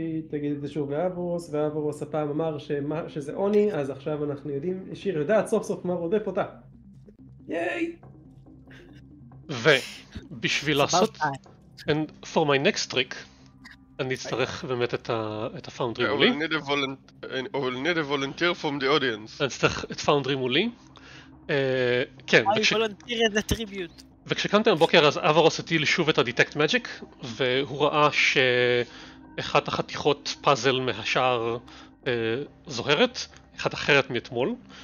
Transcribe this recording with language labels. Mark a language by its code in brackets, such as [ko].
[he] תגיד את זה שוב לאברוס, ואברוס הפעם אמר שזה עוני, אז עכשיו אנחנו יודעים, שיר יודעת סוף סוף מה רודף אותה. ייי! ובשביל לעשות, [en] and for my next trick, [he] אני אצטרך באמת את הפאונדרי מולי. [en] I will need a volunteer from the audience. [he] אני אצטרך את פאונדרי מולי. כן. [en] I volunteer as a tribute. [he] וכשקמתם בבוקר, אז אברוס הטיל שוב את ה-detect magic, והוא ראה ש... אחת החתיכות פאזל מהשאר זוהרת, אחת אחרת מאתמול.